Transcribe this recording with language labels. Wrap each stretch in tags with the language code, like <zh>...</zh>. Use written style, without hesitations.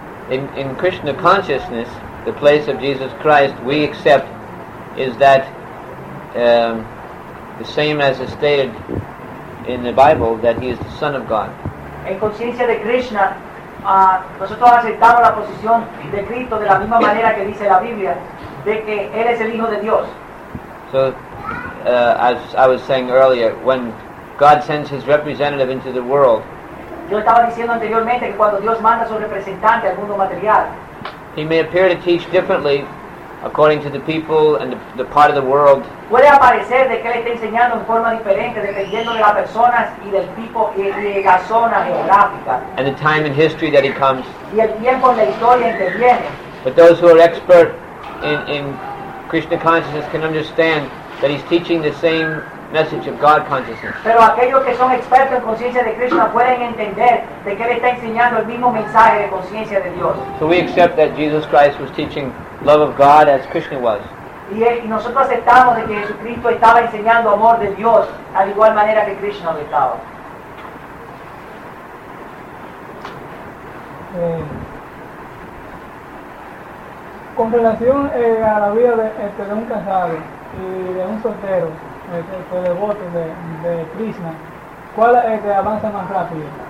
<en>In Krishna consciousness, the place of Jesus Christ we accept is that the same as is stated in the Bible, that he is the Son of God.</en> <es>En conciencia de Krishna, nosotros aceptamos la posición de Cristo de la misma manera que dice la Biblia, de que él es el Hijo de Dios.</es> <en>So, as I was saying earlier, when God sends his representative into the world,</en> <es>yo estaba diciendo anteriormente que cuando Dios manda a su representante al mundo material,</es> <en>he may appear to teach differently according to the people and the part of the world.</en> <es>Puede aparecer de que él está enseñando en forma diferente dependiendo de las personas y del tipo y de la zona geográfica.</es> <en>And the time in history that he comes.</en> <es>Y el tiempo en la historia interviene.</es> <en>But those who are expert in Krishna consciousness can understand that he's teaching the same message of God consciousness.</en> <es>Pero aquellos que son expertos en conciencia de Krishna pueden entender de que él está enseñando el mismo mensaje de conciencia de Dios.</es> <en>So we accept that Jesus Christ was teaching love of God as Krishna was.</en> <es>Y nosotros aceptamos de que Jesucristo estaba enseñando amor de Dios a la igual manera que Krishna lo estaba. Con relación a la vida de un casado y de un soltero, de devoto de Krishna, ¿cuál avanza más rápido?</es>